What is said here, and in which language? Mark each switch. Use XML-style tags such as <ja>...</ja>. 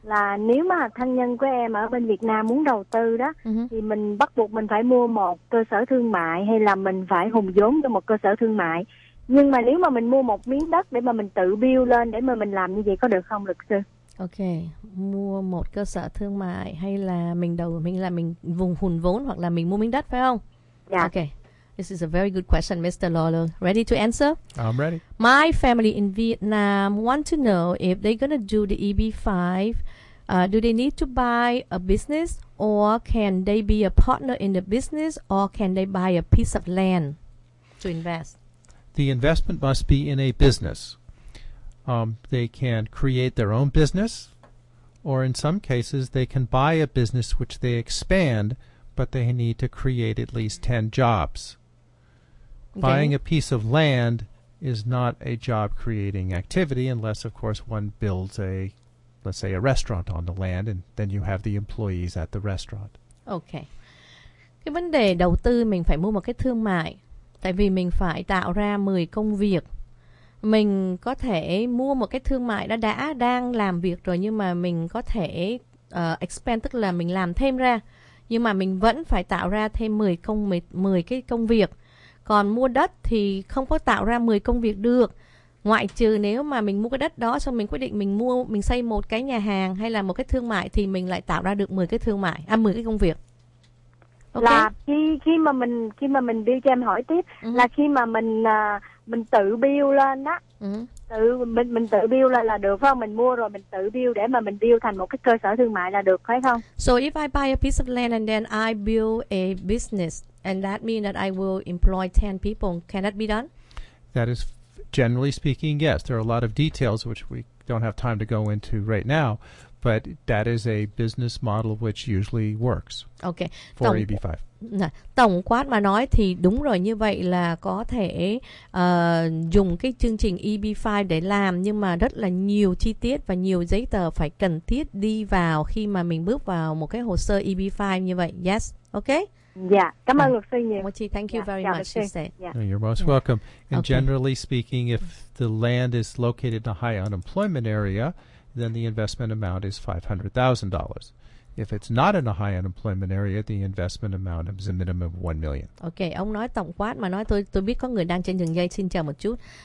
<vi>Là nếu mà thân nhân của em ở bên Việt Nam muốn đầu tư đó, thì mình bắt buộc mình phải mua một cơ sở thương mại hay là mình phải hùn vốn cho một cơ sở thương mại? Nhưng mà nếu mà mình mua một miếng đất để mà mình tự build lên để mà mình làm như vậy có được không, luật sư? Ok, mua một cơ sở thương mại hay là mình vùng hùn vốn hoặc là mình mua miếng đất phải không? Dạ.</vi> <en>Ok, this is a very good question, Mr. Lawler. Ready to answer? I'm ready. My family in Vietnam want to know if they're going to do the EB-5, do they need to buy a business or can they be a partner in the business or can they buy a piece of land to invest? The investment must be in a business. They can create their own business, or in some cases, they can buy a business which they expand, but they need to create at least 10 jobs. Okay. Buying a piece of land is not a job-creating activity unless, of course, one builds a restaurant on the land, and then you have the employees at the restaurant. Okay.</en> <vi>Cái vấn đề đầu tư mình phải mua một cái thương mại. Tại vì mình phải tạo ra 10 công việc. Mình có thể mua một cái thương mại đã đang làm việc rồi, nhưng mà mình có thể expand, tức là mình làm thêm ra. Nhưng mà mình vẫn phải tạo ra thêm 10 cái công việc. Còn mua đất thì không có tạo ra 10 công việc được. Ngoại trừ nếu mà mình mua cái đất đó xong mình quyết định mình xây một cái nhà hàng hay là một cái thương mại thì mình lại tạo ra được 10 cái công việc.</vi> <en>Okay.</en> <vi>Là khi mà mình đi cho em hỏi tiếp, là khi mà mình tự build lên á, mình tự build là được phải không? Mình mua rồi mình tự build để mà mình build thành một cái cơ sở thương mại là được phải không?</vi> <en>So if I buy a piece of land and then I build a business and that means that I will employ 10 people, can that be done? That is generally speaking, yes. There are a lot of details which we don't have time to go into right now. But that is a business model which usually works okay. for EB-5.</en> <vi>Tổng quát mà nói thì đúng rồi, như vậy là có thể dùng cái chương trình EB-5 để làm, nhưng mà rất là nhiều chi tiết và nhiều giấy tờ phải cần thiết đi vào khi mà mình bước vào một cái hồ sơ EB-5 như vậy.</vi> <en>Yes, ok.</en> <vi>Dạ, cảm ơn luật sư nhiều.</vi> <en>Mochi, thank you very much. Yeah. You're most welcome. And generally speaking, if the land is located in a high unemployment area, then the investment amount is $500,000. If it's not in a high unemployment area, the investment amount is a minimum of $1 million.</en> <vi>Okay, ông nói tổng quát mà nói, tôi biết có người đang trên đường dây, xin chờ một chút.</vi>